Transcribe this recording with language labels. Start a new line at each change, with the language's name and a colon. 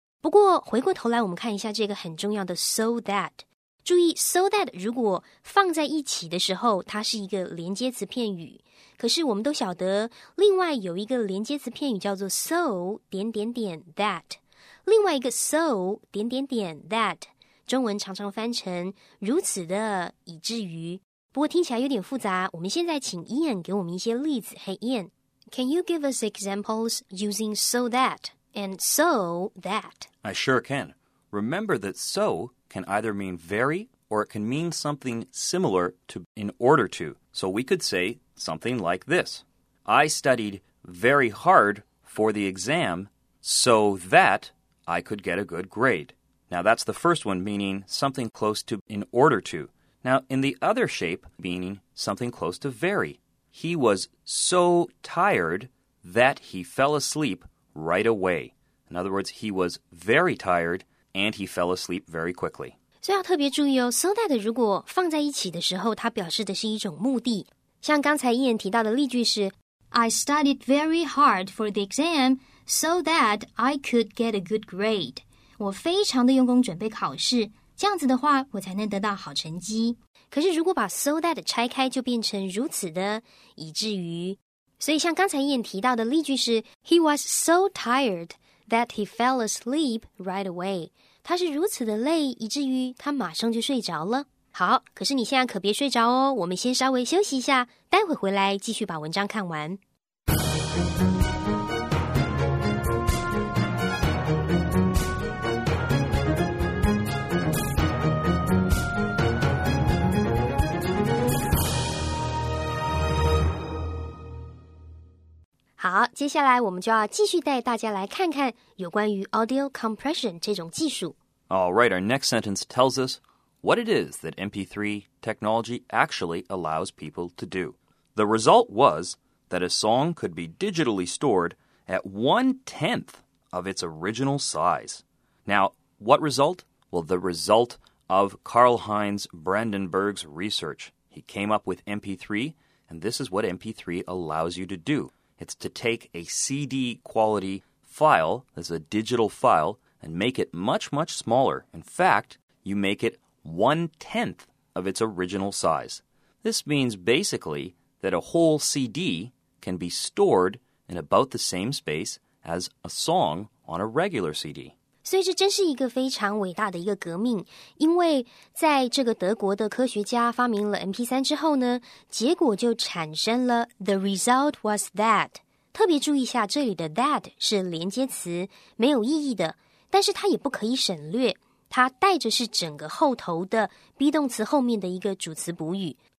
Chinese: 不过回过头来我们看一下这个很重要的 so that， 注意 so that 如果放在一起的时候它是一个连接词片语，可是我们都晓得另外有一个连接词片语叫做 so 点点点 that， 另外一个 so 点点点 that 中文常常翻成如此的以至于，不过听起来有点复杂，我们现在请 Ian 给我们一些例子。
English: Hey Ian， Can you give us examples using so thatAnd so that. I sure can. Remember that so can either mean very or it can mean something similar to in order to. So we could say something like this. I studied very hard for the exam so that I could get a good grade. Now that's the first one meaning something close to in order to. Now in the other shape meaning something close to very. He was so tired that he fell asleep. Right away. In other words, he was very tired and he fell asleep very quickly.
Chinese: 所以要特别注意哦， so that 如果放在一起的时候它表示的是一种目的。像刚才Ian提到的例句是
English: I studied very hard for the exam so that I could get a good grade.
Chinese: 我非常的用功准备考试，这样子的话我才能得到好成绩。可是如果把 so that 拆开就变成如此的以至于，所以像刚才Ian提到的例句是
English: He was so tired that he fell asleep right away.
Chinese: 他是如此的累以至于他马上就睡着了。好，可是你现在可别睡着哦，我们先稍微休息一下，待会回来继续把文章看完。好，接下来我们就要继续带大家来看看有关于 audio compression 这种技术。
English: All right, our next sentence tells us what it is that MP3 technology actually allows people to do. The result was that a song could be digitally stored at 1/10 of its original size. Now, what result? Well, the result of Karlheinz Brandenburg's research. He came up with MP3, and this is what MP3 allows you to do. It's to take a CD quality file, that's a digital file, and make it much, much smaller. In fact, you make it 1/10 of its original size. This means basically that a whole CD can be stored in about the same space as a song on a regular CD.
Chinese: 所以这真是一个非常伟大的一个革命，因为在这个德国的科学家发明了 MP3 之后呢，结果就产生了
English: the result was that.
Chinese: 特别注意一下，这里的 that 是连接词，没有意义的，但是它也不可以省略，它带着是整个后头的 be 动词后面的一个主词补语。